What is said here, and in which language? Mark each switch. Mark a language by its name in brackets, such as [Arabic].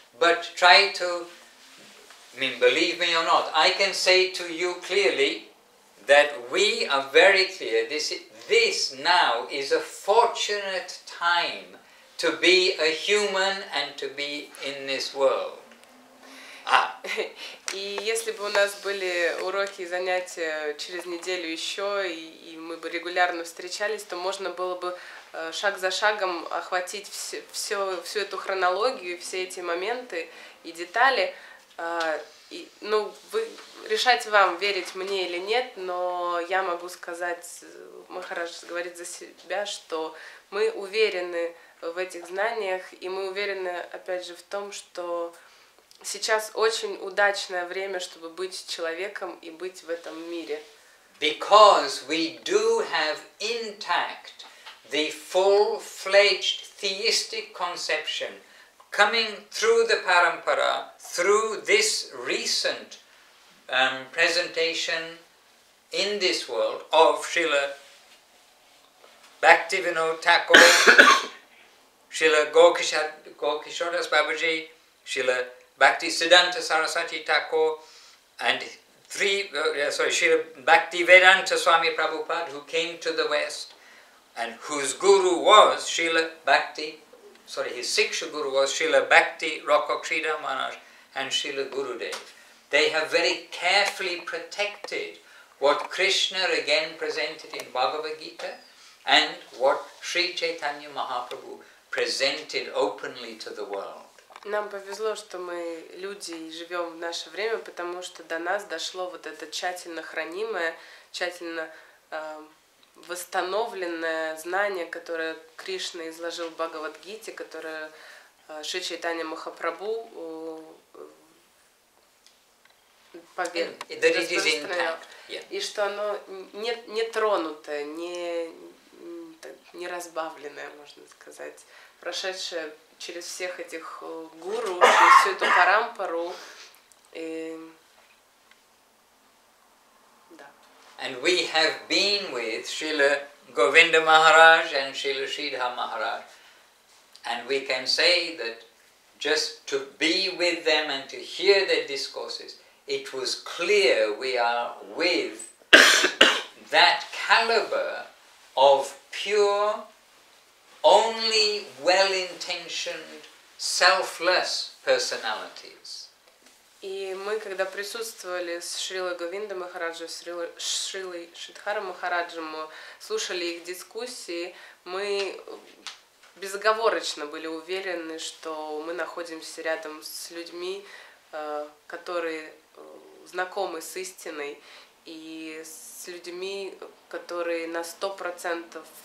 [English] But try to, I mean, believe me or not, I can say to you clearly that we are very clear, this now is a fortunate time to be a human and to be in this world. [Russian] И если бы у нас были уроки и занятия через неделю еще, и мы бы регулярно встречались, то можно было бы шаг за шагом охватить всю эту хронологию, все эти моменты и детали. Ну, вы решать вам, верить мне или нет, но я могу сказать, Махарадж говорит за себя, что мы уверены в этих знаниях, и мы уверены, опять же, в том, что сейчас очень удачное время, чтобы быть человеком и быть в этом мире. [English] Because we do have intact the full-fledged theistic conception coming through the parampara, through this recent presentation in this world of Srila Bhaktivinoda Thakur, Srila Gaukishodas Babaji, Srila Bhakti Siddhanta Saraswati Thakur and Srila Bhakti Vedanta Swami Prabhupada, who came to the West and whose guru was Srila Bhakti, his Siksha guru was Srila Bhakti Rokokshida Maharaj and Srila Gurudev. They have very carefully protected what Krishna again presented in Bhagavad Gita and what Sri Chaitanya Mahaprabhu presented openly to the world. [Russian] Нам повезло, что мы люди и живем в наше время, потому что до нас дошло вот это тщательно хранимое, тщательно восстановленное знание, которое Кришна изложил в Бхагавад-гите, которое Шри Чайтанья Махапрабху распространял. И что оно не тронутое, не разбавленное, можно сказать, прошедшее через всех этих гуру, через всю эту парампару. И... Да. [English] And we have been with Srila Govinda Maharaj and Srila Sridhar Maharaj. And we can say that just to be with them and to hear their discourses, it was clear we are with that caliber of pure, only well-intentioned, selfless personalities. [Russian] И мы, когда присутствовали с Шрилой Говиндой Махараджем, с Шрилой Шридхаром Махараджем, слушали их дискуссии, мы безоговорочно были уверены, что мы находимся рядом с людьми, которые знакомы с истиной, и с людьми, которые на 100%